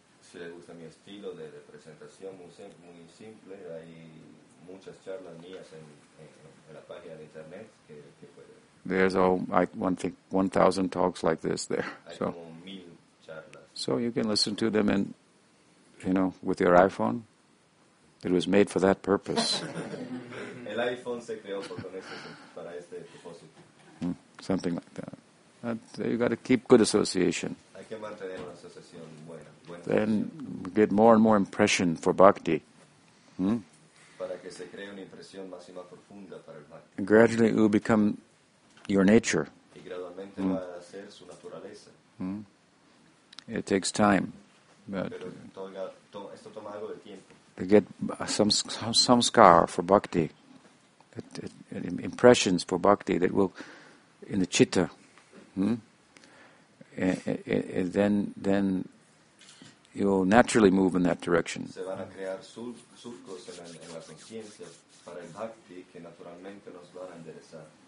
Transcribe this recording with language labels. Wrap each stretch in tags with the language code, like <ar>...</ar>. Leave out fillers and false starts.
<es>Si le gusta mi estilo de presentación muy simple, hay muchas charlas mías en la página de internet que puede.</es> <en>There's all, I think, 1,000 talks like this there. So,</en> <es>hay como 1,000 charlas.</es> <en>So you can listen to them and, you know, with your iPhone. It was made for that purpose.</en> <es>El iPhone se creó para este propósito.</es> <en>Something like that. You got to keep good association.</en> <es>Hay que mantener una asociación buena.</es> <en>Then we get more and more impression for bhakti.</en> <es>Para que se cree una impresión más y más profunda para el bhakti.</es> <en>And gradually it will become your nature.</en> <es>Y gradualmente va a ser su naturaleza.</es> <en>It takes time. But</en> <es>esto toma algo de tiempo.</es> <en>To get some samskar for bhakti, impressions for bhakti that will, in the chitta, then you will naturally move in that direction.</en> <es>Se van a crear surcos en la conciencia para el bhakti que naturalmente nos van a enderezar.</es>